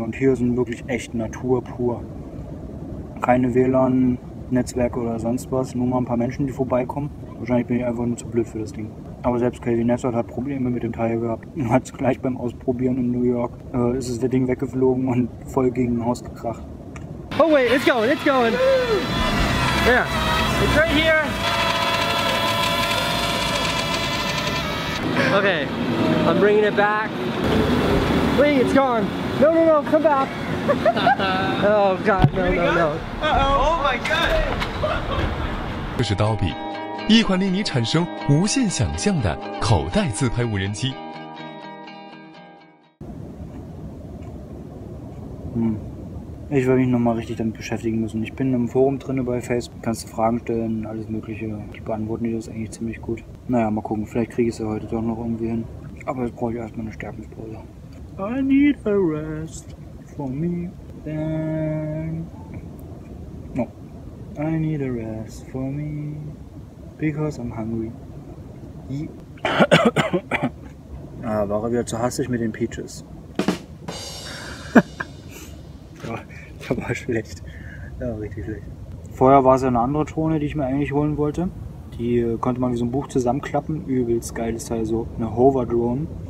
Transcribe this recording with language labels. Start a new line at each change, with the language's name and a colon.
German: Und hier sind wirklich echt Natur pur. Keine WLAN-Netzwerke oder sonst was. Nur mal ein paar Menschen, die vorbeikommen. Wahrscheinlich bin ich einfach nur zu blöd für das Ding. Aber selbst Casey Neistat hat Probleme mit dem Teil gehabt. Und hat es gleich beim Ausprobieren in New York, ist es der Ding weggeflogen und voll gegen ein Haus gekracht.
English: Oh wait, it's going, it's going. Yeah, it's right here. Okay, I'm bringing it back. Wait, it's gone. No, no, no, come back. Oh god, no, no, no. Uh-oh. Oh my god.
Chinese: 就是刀比，一款令你产生无限想象的口袋自拍无人机。
German: Ich werde mich nochmal richtig damit beschäftigen müssen. Ich bin im Forum drin bei Facebook, kannst du Fragen stellen, alles mögliche. Die beantworten dir das eigentlich ziemlich gut. Naja, mal gucken, vielleicht kriege ich es ja heute doch noch irgendwie hin. Aber jetzt brauche ich erstmal eine Stärkenspause.
English: I need a rest for me then. No, I need a rest for me because I'm hungry. Yeah.
German: Ah, war er wieder zu hastig mit den Peaches. Das war schlecht. Das war richtig schlecht. Vorher war es ja eine andere Drohne, die ich mir eigentlich holen wollte. Die konnte man wie so ein Buch zusammenklappen. Übelst geiles Teil, so eine Hover-Drone.